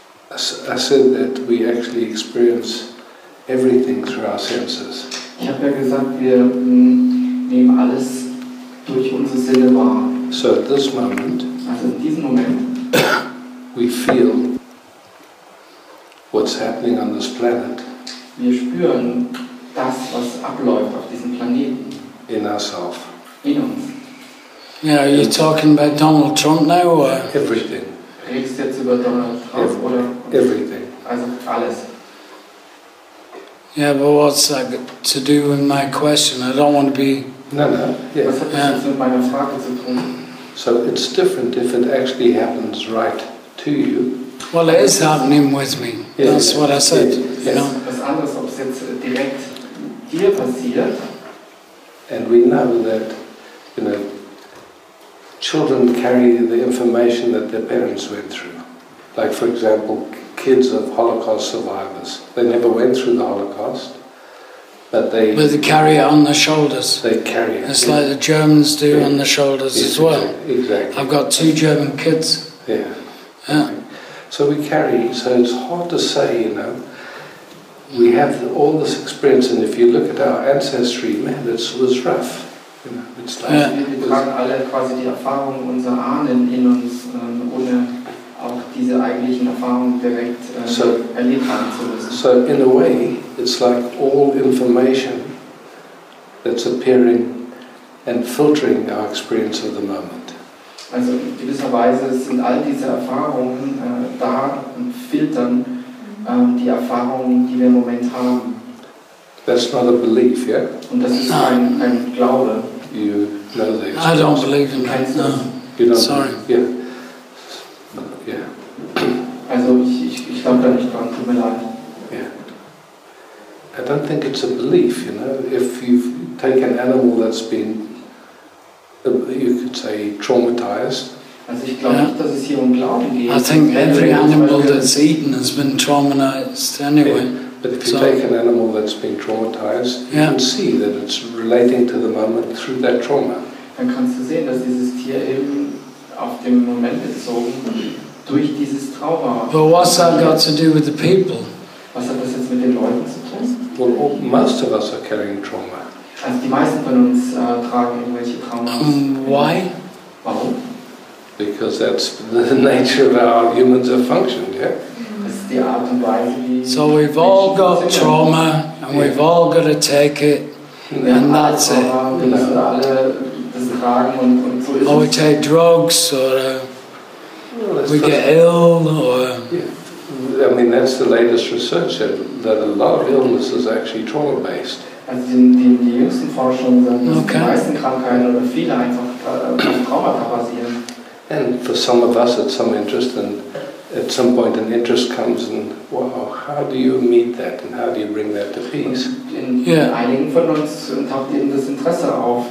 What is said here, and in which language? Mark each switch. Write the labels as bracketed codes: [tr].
[en] I said that we actually experience everything through our senses. [de] Ich habe ja gesagt, wir nehmen alles durch unsere Sinne wahr. [en] So at this moment, [de] also in diesem Moment, [en] we feel what's happening on this planet. [de] Wir spüren das, was abläuft auf diesem Planeten. [en] In ourself. [de] In uns. [en] Yeah, are you talking about Donald Trump now? Or? Everything. [de] Redest jetzt über Donald Trump oder? [en] Everything. [de] Also alles. [en] Yeah, but what's that got to do with my question? I don't want to be. No. [de] Was hat das jetzt mit meiner Frage zu tun? [en] So it's different if it actually happens right to you. Well, it is happening with me. Yes. That's what I said. Yes. You know. [de] Was anders, ob es jetzt direkt dir passiert? [en] And we know that, you know, children carry the information that their parents went through. Like, for example, kids of Holocaust survivors. They never went through the Holocaust, but they... But they carry it on their shoulders. They carry it. It's like the Germans do on their shoulders as well. Exactly. I've got two German kids. Yeah. Yeah. So we carry, so it's hard to say, you know, we have all this experience, and if you look at our ancestry, man, it was rough. [de] Wir tragen alle quasi die Erfahrungen unserer Ahnen in uns, ohne auch diese eigentlichen Erfahrungen direkt erlebt haben zu müssen. [en] So in a way, it's like all information that's appearing and filtering our experience of the moment. [de] Also in gewisser Weise sind all diese Erfahrungen da und filtern die Erfahrungen, die wir im Moment haben. [en] That's not a belief, yeah? [de] Und das ist kein Glaube. [en] You know the experience. I don't believe in that. No. You don't. Sorry. Yeah. [de] Also ich glaube da nicht dran. Tut mir leid. [en] Yeah. I don't think it's a belief. You know, if you take an animal that's been, you could say, traumatized. [de] Also ich glaube nicht, dass es hier um Glauben geht. [en] I think every animal that's eaten has been traumatized anyway. Yeah. But if you take an animal that's been traumatized, you can see that it's relating to the moment through that trauma. [de] Dann kannst du sehen, dass dieses Tier eben auf den Moment bezogen durch dieses Trauma. [en] But what's that got to do with the people? [de] Was hat das jetzt mit den Leuten zu tun? [en] Well, all, most of us are carrying trauma. [de] Also die meisten von uns tragen irgendwelche Traumas. [en] Why? [de] Warum? [en] Because that's the nature of how humans have functioned, yeah? So we've all got trauma, and we've all got to take it, and that's it. Or we take drugs, or we get ill, or... I mean, that's the latest research, that a lot of illness is actually trauma-based. And for some of us, it's some interest in... At some point, an interest comes, and wow, how do you meet that, and how do you bring that to peace? [de] Einigen von uns taucht eben das Interesse auf.